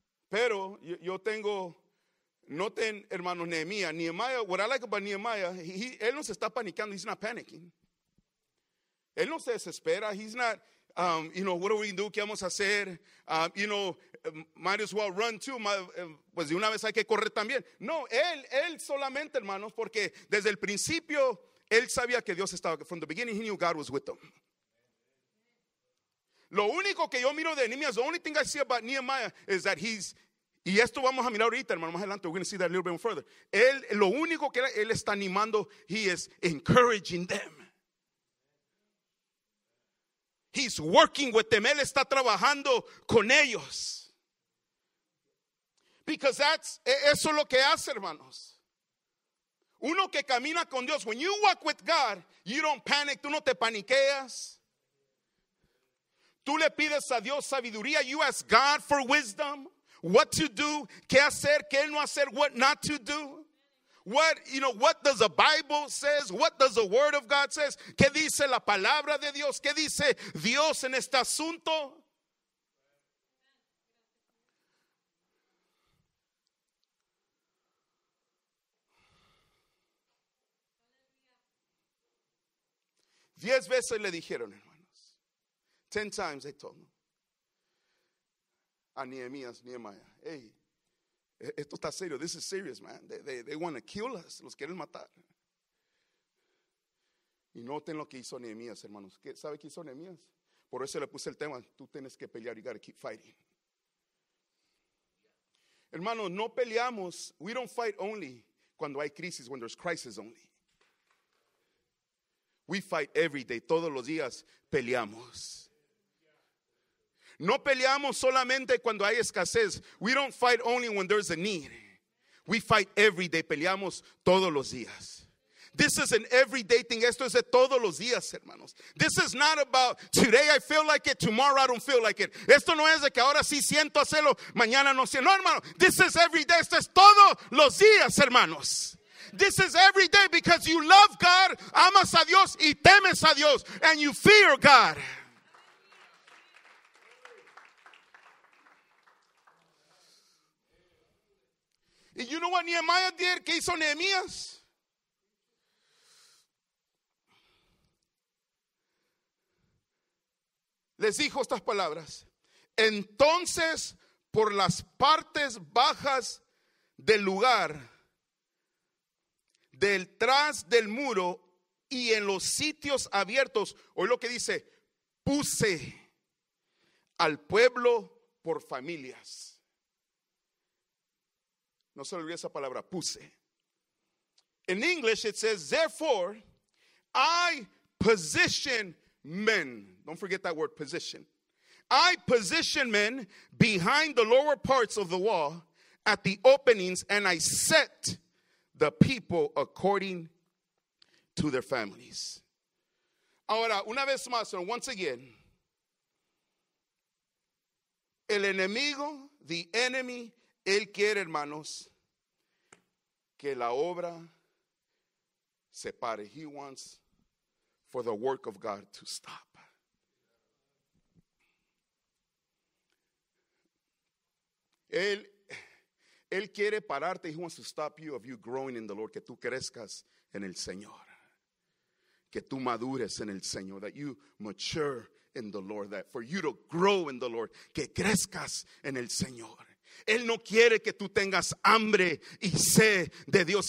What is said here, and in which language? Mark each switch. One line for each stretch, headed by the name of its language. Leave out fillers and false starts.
Spanish: Pero yo tengo, noten, hermanos, Nehemiah.
English: Nehemiah, what I like about Nehemiah,
Spanish: él no se está panicando.
English: He's not panicking.
Spanish: Él no se desespera.
English: He's not, you know, what are we going to do?
Spanish: ¿Qué vamos a hacer?
English: You know, might as well run too.
Spanish: Pues de una vez hay que correr también. No, él solamente, hermanos, porque desde el principio, él sabía que Dios estaba,
English: from the beginning, he knew God was with him.
Spanish: Lo único que yo miro de Nehemiah,
English: the only thing I see about Nehemiah is that he's,
Spanish: y esto vamos a mirar ahorita, hermano, más adelante,
English: we're going to see that a little bit further.
Spanish: Él, lo único que él está animando,
English: he is encouraging them. He's working with them.
Spanish: Él está trabajando con ellos.
English: Because that's,
Spanish: eso es lo que hace, hermanos. Uno que camina con Dios,
English: when you walk with God, you don't panic,
Spanish: tú no te paniqueas. Tú le pides a Dios sabiduría,
English: you ask God for wisdom. What to do,
Spanish: qué hacer, qué no hacer,
English: what not to do. What, you know, what does the Bible says, what does the word of God says.
Spanish: ¿Qué dice la palabra de Dios? ¿Qué dice Dios en este asunto? Diez veces le dijeron, hermanos.
English: 10 times they told him.
Spanish: A Nehemías, Nehemiah. Hey, esto está serio.
English: This is serious, man. They want to kill us.
Spanish: Los quieren matar. Y noten lo que hizo Nehemías, hermanos. ¿Qué, sabe qué hizo Nehemías? Por eso le puse el tema. Tú tienes que pelear.
English: You got to keep fighting.
Spanish: Hermanos, no peleamos.
English: We don't fight only
Spanish: cuando hay crisis,
English: when there's crisis only. We fight every day.
Spanish: Todos los días peleamos. No peleamos solamente cuando hay escasez.
English: We don't fight only when there's a need. We fight every day.
Spanish: Peleamos todos los días.
English: This is an everyday thing.
Spanish: Esto es de todos los días, hermanos.
English: This is not about today I feel like it, tomorrow I don't feel like it.
Spanish: Esto no es de que ahora sí siento hacerlo, mañana no siento. No, hermano.
English: This is every day.
Spanish: Esto es todos los días, hermanos.
English: This is every day because you love God,
Spanish: amas a Dios y temes a Dios,
English: and you fear God. And you know what Nehemiah did?
Spanish: ¿Qué hizo Nehemías? Les dijo estas palabras. Entonces, por las partes bajas del lugar, detrás del muro y en los sitios abiertos, oye lo que dice, puse al pueblo por familias. No se olvide esa palabra, puse.
English: In English it says, therefore, I position men. Don't forget that word, position. I position men behind the lower parts of the wall at the openings, and I set the people according to their families.
Spanish: Ahora, una vez más,
English: once again,
Spanish: el enemigo,
English: the enemy,
Spanish: él quiere, hermanos, que la obra se pare.
English: He wants for the work of God to stop.
Spanish: Él quiere pararte.
English: He wants to stop you of you growing in the Lord.
Spanish: Que tú crezcas en el Señor. Que tú madures en el Señor.
English: That you mature in the Lord. That for you to grow in the Lord.
Spanish: Que crezcas en el Señor. Él no quiere que tú tengas hambre y sed de Dios.